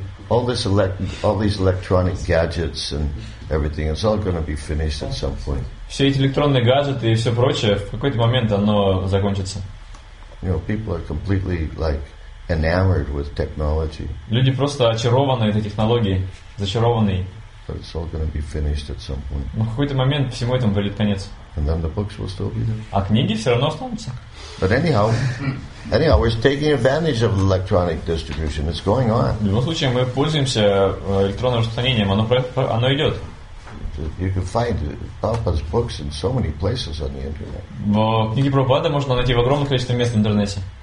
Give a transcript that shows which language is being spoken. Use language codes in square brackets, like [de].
[en] All these electronic gadgets and everything, it's all going to be finished at some point. [ru] Все эти электронные гаджеты и все прочее, в какой-то момент оно закончится. [en] You know, people are completely like enamored with technology. [ru] Люди просто очарованы этой технологией, зачарованы. [en] But it's all going to be finished at some point. [ru] Но в какой-то момент всему этому придет конец. [en] And then the books will still be there. [ru] А книги все равно останутся. [en] But anyhow, we're taking advantage of electronic distribution. It's going on. [ru] В любом случае, мы пользуемся электронным распространением. Оно идет. [en] You can find Prabhupada's books in so many places on the internet. [ru] Но книги Прабхупады можно найти в огромном количестве мест в интернете.